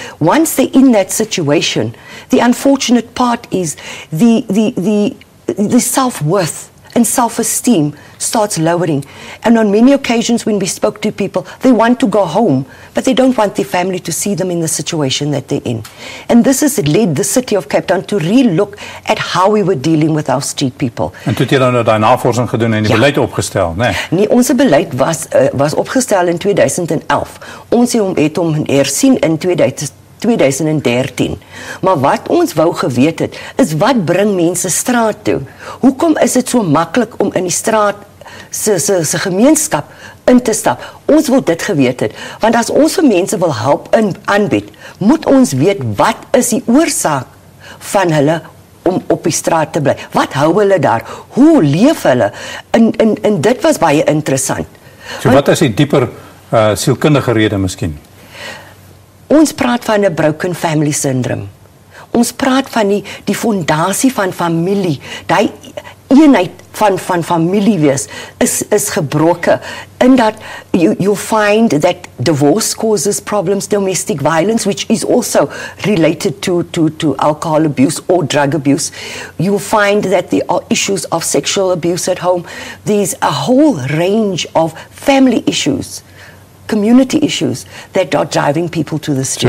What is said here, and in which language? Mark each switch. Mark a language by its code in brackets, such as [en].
[en] Once they're in that situation, the unfortunate part is the self-worth and self-esteem starts lowering. And on many occasions when we spoke to people, they want to go home, but they don't want their family to see them in the situation that they're in. And this has led the city of Cape Town to re-look at how we were dealing with our street people. [af] En toe het jy nou daai navorsing gedoen en die beleid opgestel, né? Nee, ons beleid was opgestel in 2011. Ons het hom hersien in 2013. Maar wat ons wou geweet het, is wat bring mense straat toe? Hoekom is het so makkelijk om in die straat se gemeenskap in te stap? Ons wil dit geweet het, want as ons vir mense wil help en aanbied, moet ons weet wat is die oorsaak van hulle om op die straat te bly. Wat hou hulle daar? Hoe leef hulle? En dit was baie interessant. So wat is die dieper sielkundige rede miskien? Ons praat van 'n [en] broken family syndrome. [af] Ons praat van die fondasie van familie, die eenheid van familie wees, is gebroke. In dat, [en] you find that divorce causes problems, domestic violence, which is also related to alcohol abuse or drug abuse. You find that there are issues of sexual abuse at home. There's a whole range of family issues, community issues that are driving people to the street.